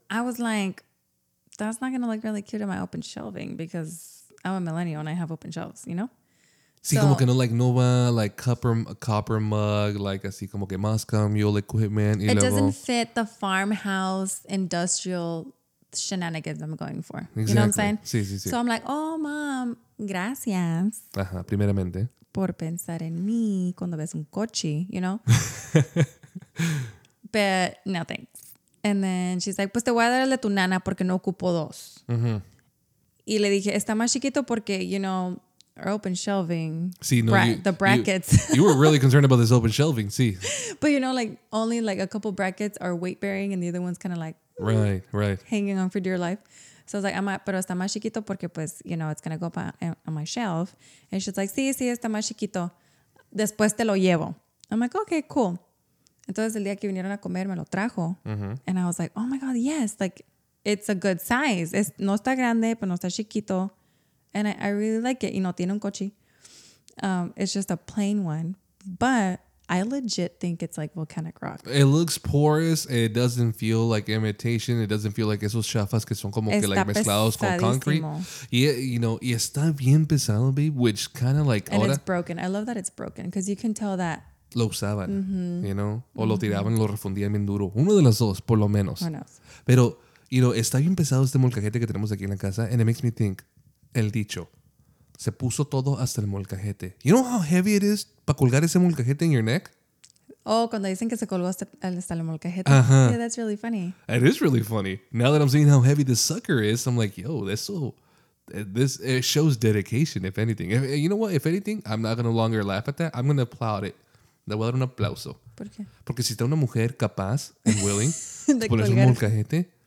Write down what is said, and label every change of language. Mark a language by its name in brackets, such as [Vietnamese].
[English] I was like, that's not going to look really cute in my open shelving because I'm a millennial and I have open shelves, you know? [Spanish] Sí, so, como que no, like, no va, like, [English] copper mug, [Spanish] like, así como que más cambio de equipment. [English] It [Spanish] luego, [English] doesn't fit the farmhouse industrial shenanigans I'm going for. Exactly. You know what I'm saying? [Spanish] Sí, sí, sí. [English] So I'm like, oh, mom, [Spanish] Gracias. Ajá, primeramente. Por pensar en mí cuando ves un coche, [English] you know? But no thanks. And then she's like, [Spanish] pues te voy a dar el de tu nana porque no ocupo dos. Y le dije, está más chiquito porque, [English] you know, our open shelving, [Spanish] sí, no, [English] the brackets. You were really concerned about this open shelving, sí. But you know, like only like a couple brackets are weight bearing and the other one's kind of like right, right, hanging on for dear life. So I was like, [Spanish] pero está más chiquito porque pues, [English] you know, it's going to go up on my shelf. And she's like, [Spanish] sí, sí, está más chiquito. Después te lo llevo. [English] I'm like, okay, cool. [Spanish] Entonces el día que vinieron a comer, me lo trajo. [English] And I was like, oh my God, yes. Like, it's a good size. [Spanish] Es, no está grande, pero no está chiquito. [English] And I really like it. [Spanish] Y no tiene un coche. [English] It's just a plain one. But I legit think it's like volcanic rock. It looks porous. It doesn't feel like imitation. It doesn't feel like [Spanish] esos chafas que son como está que like mezclados con concrete. [English] Yeah, you know, [Spanish] y está bien pesado, [English] babe, which kind of like... And ahora, it's broken. I love that it's broken because you can tell that... [Spanish] Lo usaban, [English] you know? [Spanish] O lo tiraban, lo refundían bien duro. Uno de los dos, por lo menos. [English] Who knows? [Spanish] Pero, [English] you know, [Spanish] está bien pesado este molcajete que tenemos aquí en la casa. [English] And it makes me think, [Spanish] el dicho... Se puso todo hasta el molcajete. [English] You know how heavy it is [Spanish] para colgar ese molcajete [English] in your neck? [Spanish] Oh, cuando dicen que se colgó hasta el molcajete. Uh-huh. [English] Yeah, that's really funny. It is really funny. Now that I'm seeing how heavy this sucker is, I'm like, yo, this so... This it shows dedication, if anything. If, you know what? If anything, I'm not going to longer laugh at that. I'm going to applaud it. [Spanish] Le voy a dar un aplauso. ¿Por qué? Porque si está una mujer capaz [English] and willing to [Spanish] poner un molcajete...